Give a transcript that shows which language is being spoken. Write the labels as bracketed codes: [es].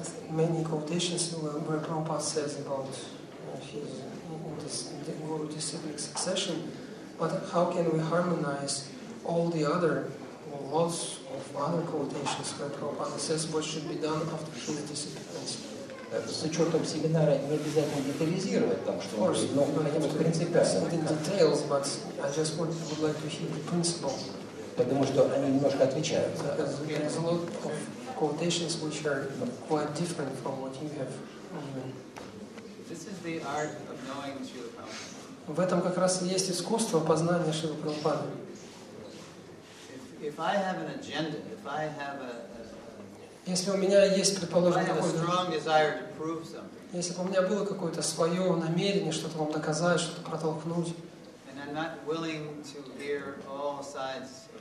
[en] Many quotations where Prabhupada says about the Guru disciple succession, but how can we harmonize all the other lots of other quotations where Prabhupada says what should be done after his disciples? [ru] С учетом семинара не обязательно детализировать там что, но хотя бы принципиально. [en] Not in details, but I just would like to hear the principle. [ru] Потому что они немножко отвечают. [en] Because there's a lot of quotations which are quite different from what you have given. This is the art of knowing Srila Prabhupada. [ru] В этом как раз и есть искусство познания Шрилы Прабхупады. [en] If I have an agenda, if I have a [ru] если у меня есть, предположим, какой-то [en] strong desire to prove something. [ru] Если бы у меня было какое-то свое намерение что-то вам доказать, что-то протолкнуть. [en] And I'm not willing to hear all sides.